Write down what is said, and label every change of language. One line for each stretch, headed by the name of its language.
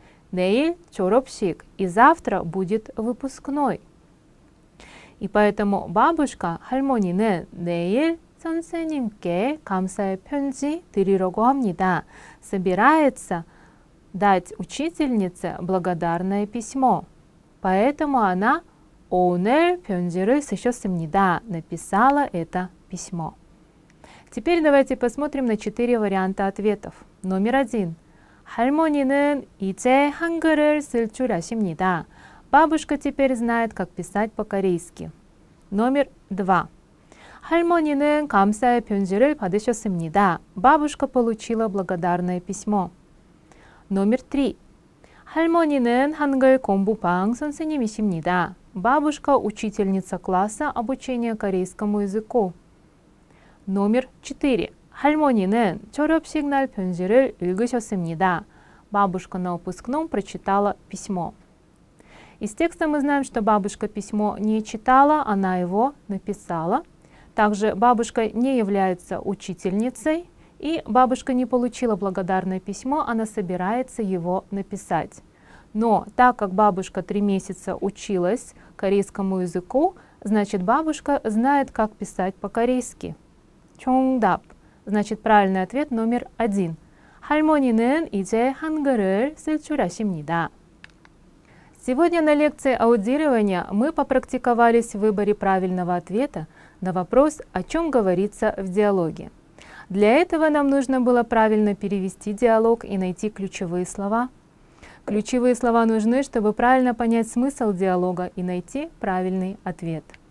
Korean: Нэйль чоропсик.
Russian: И завтра будет выпускной. И поэтому бабушка
Korean: хальмонинэн нэйль 선생님께 감사의 편지 드리려고 합니다.
Russian: Собирается дать учительнице благодарное письмо. Поэтому она
Korean: 오늘 편지를 쓰셨습니다.
Russian: Написала это письмо. Теперь давайте посмотрим на 4 варианта ответов. Номер 1.
Korean: 할머니는 이제 한글을 쓸 줄 아십니다.
Russian: Бабушка теперь знает, как писать по-корейски. Номер 2.
Korean: 할머니는 감사의 편지를 받으셨습니다.
Russian: Бабушка получила благодарное письмо. Номер 3.
Korean: 할머니는 한글 공부방 선생님이십니다.
Russian: Бабушка учительница класса обучения корейскому языку. Номер 4.
Korean: 할머니는 졸업식 날 편지를 읽으셨습니다.
Russian: Бабушка на выпускном прочитала письмо. Из текста мы знаем, что бабушка письмо не читала, она его написала. Также бабушка не является учительницей, и бабушка не получила благодарное письмо, она собирается его написать. Но так как бабушка 3 месяца училась корейскому языку, значит, бабушка знает, как писать по-корейски. Чонгдап. Значит, правильный ответ номер 1.
Korean: 할머니는 이제 한글을 쓸 줄 아십니다.
Russian: Сегодня на лекции аудирования мы попрактиковались в выборе правильного ответа на вопрос, о чем говорится в диалоге. Для этого нам нужно было правильно перевести диалог и найти ключевые слова. Ключевые слова нужны, чтобы правильно понять смысл диалога и найти правильный ответ.